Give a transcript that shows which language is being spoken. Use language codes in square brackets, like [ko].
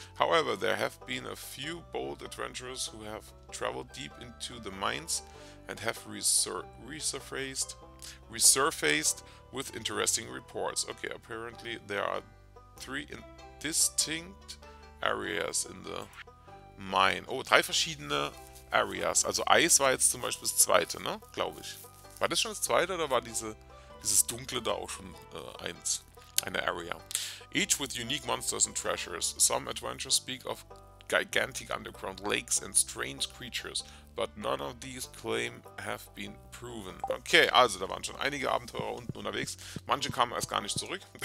[en] However, there have been a few bold adventurers who have traveled deep into the mines and have resurfaced with interesting reports. Okay, apparently there are three distinct areas in the mine. [de] Oh, drei verschiedene Areas. Also Eis war jetzt zum Beispiel das zweite, ne? Glaube ich. War das schon das zweite oder war dieses Dunkle da auch schon eins? Eine Area. [en] Each with unique monsters and treasures. Some adventurers speak of gigantic underground lakes and strange creatures, but none of these claims have been proven. [de] Okay, also da waren schon einige Abenteurer unten unterwegs. Manche kamen erst gar nicht zurück.